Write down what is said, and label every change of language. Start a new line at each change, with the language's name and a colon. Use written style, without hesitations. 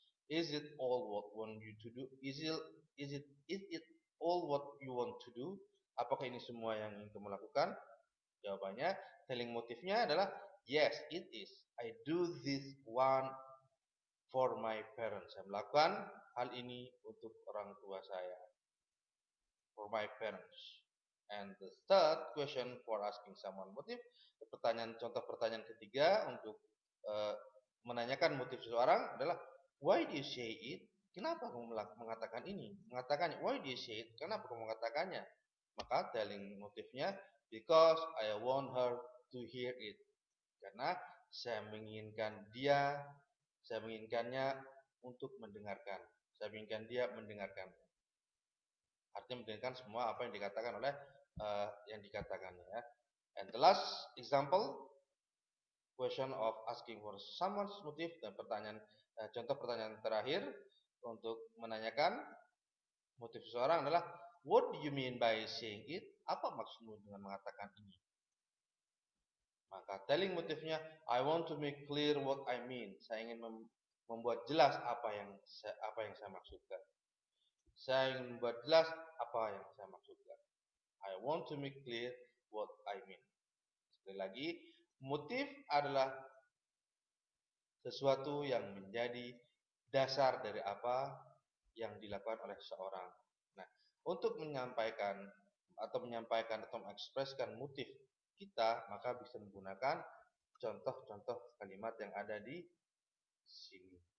English: Is it all what want you to do? Is it all what you want to do?
Indonesian: Apakah ini semua yang ingin kamu lakukan? Jawabannya, telling motifnya adalah
English: yes, it is. I do this one for my parents.
Indonesian: Saya melakukan hal ini untuk orang tua saya.
English: For my parents. And the third question for asking someone motif,
Indonesian: pertanyaan contoh pertanyaan ketiga untuk menanyakan motif seseorang adalah
English: why do you say it?
Indonesian: Kenapa kamu mengatakan ini? Mengatakannya
English: why do you say it?
Indonesian: Kenapa kamu mengatakannya? Maka
English: telling motifnya because I want her to hear it.
Indonesian: Karena saya menginginkannya untuk mendengarkan. Saya menginginkan dia mendengarkan. Artinya mendengarkan semua apa yang dikatakan oleh yang dikatakannya.
English: And the last example question of asking for someone's motive
Indonesian: dan pertanyaan contoh pertanyaan terakhir untuk menanyakan motif seseorang adalah
English: what do you mean by saying it?
Indonesian: Apa maksudmu dengan mengatakan ini? Maka
English: telling motifnya I want to make clear what I mean.
Indonesian: Saya ingin membuat jelas apa yang saya maksudkan. Saya ingin membuat jelas apa yang saya maksudkan.
English: I want to make clear what I mean.
Indonesian: Sekali lagi, motif adalah sesuatu yang menjadi dasar dari apa yang dilakukan oleh seseorang. Nah, untuk menyampaikan atau mengekspresikan motif kita, maka bisa menggunakan contoh-contoh kalimat yang ada di sini.